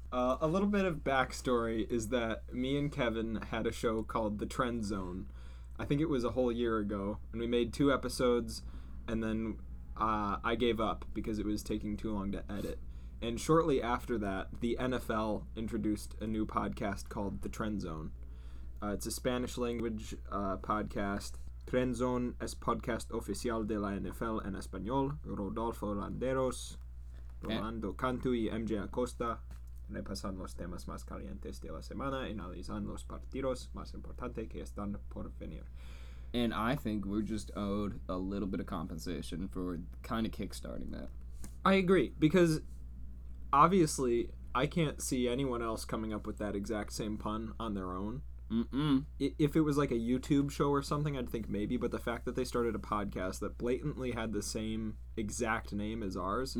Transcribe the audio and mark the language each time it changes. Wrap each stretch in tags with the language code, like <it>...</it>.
<en>A little bit of backstory is that me and Kevin had a show called The Trend Zone. I think it was a whole year ago. And we made 2 episodes, and then... I gave up because it was taking too long to edit. And shortly after that, the NFL introduced a new podcast called The Trend Zone. It's a Spanish language podcast.</en> <es>Trend Zone es podcast oficial de la NFL en español. Rodolfo Landeros, Rolando Cantu y MJ Acosta repasan los temas más calientes de la semana y analizan los partidos más importantes que están por venir.</es> <en>And I think we're just owed a little bit of compensation for kind of kickstarting that. I agree, because obviously I can't see anyone else coming up with that exact same pun on their own. Mm-mm. If it was like a YouTube show or something, I'd think maybe, but the fact that they started a podcast that blatantly had the same exact name as ours...</en>